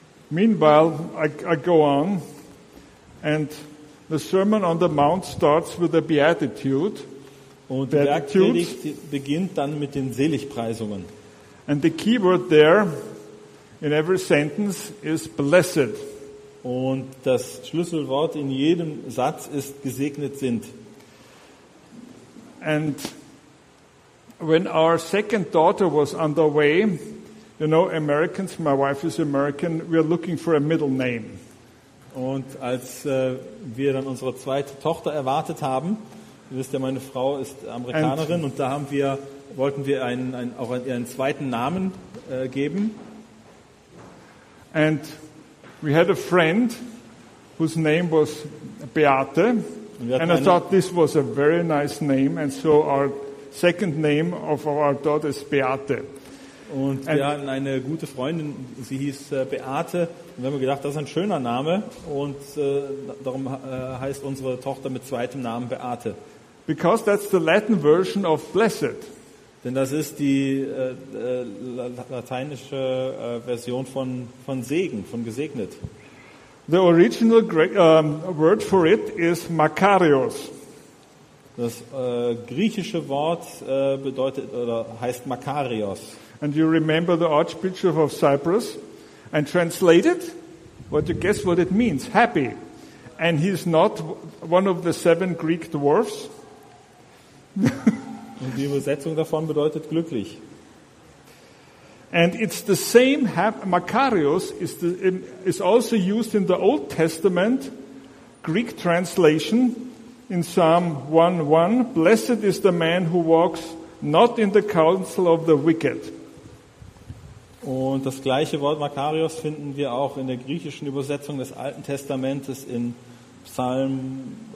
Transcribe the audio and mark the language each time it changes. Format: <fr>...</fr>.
<en>Meanwhile, I go on. And the Sermon on the Mount starts with a beatitude.</en> <de>Und die Bergpredigt beginnt dann mit den Seligpreisungen.</de> <en>And the key word there in every sentence is blessed.</en> <de>Und das Schlüsselwort in jedem Satz ist gesegnet sind.</de> <en>And when our second daughter was on the way, you know, Americans, my wife is American, we are looking for a middle name.</en> <de>Und als wir dann unsere zweite Tochter erwartet haben, ihr wisst ja, meine Frau ist Amerikanerin, und da haben wir, wollten wir ihren zweiten Namen geben.</de> <en>And we had a friend whose name was Beate, and I thought this was a very nice name, and so our second name of our daughter is Beate.</en> <de>Und wir hatten eine gute Freundin, sie hieß Beate, und wir haben gedacht, das ist ein schöner Name, und darum heißt unsere Tochter mit zweitem Namen Beate.</de> <en>Because that's the Latin version of blessed.</en> <de>Denn das ist die lateinische Version von Segen, von gesegnet.</de> <en>The original word for it is Makarios.</en> <de>Das griechische Wort bedeutet oder heißt Makarios.</de> <en>And you remember the Archbishop of Cyprus, and translated, what you guess what it means? Happy. And he's not one of the seven Greek dwarfs.</en> <de>Und die Übersetzung davon bedeutet glücklich.</de> <en>And it's the same, Makarios is also used in the Old Testament Greek translation in Psalm 1:1. Blessed is the man who walks not in the counsel of the wicked.</en> <de>Und das gleiche Wort Makarios finden wir auch in der griechischen Übersetzung des Alten Testamentes in Psalm</de>